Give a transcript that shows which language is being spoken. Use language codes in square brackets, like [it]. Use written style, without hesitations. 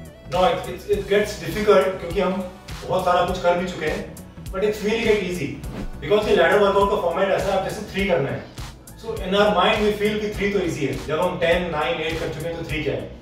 [en] Now it gets difficult [hi] क्योंकि हम बहुत सारा कुछ कर भी चुके हैं, [en] but it's really get easy because [hi] ये ladder workout का format ऐसा है आप जैसे 3 करना है. [en] So in our mind we feel [hi] कि 3 तो [en] easy है. [hi] जब हम 10, 9, 8 कर चुके हैं तो 3 क्या है?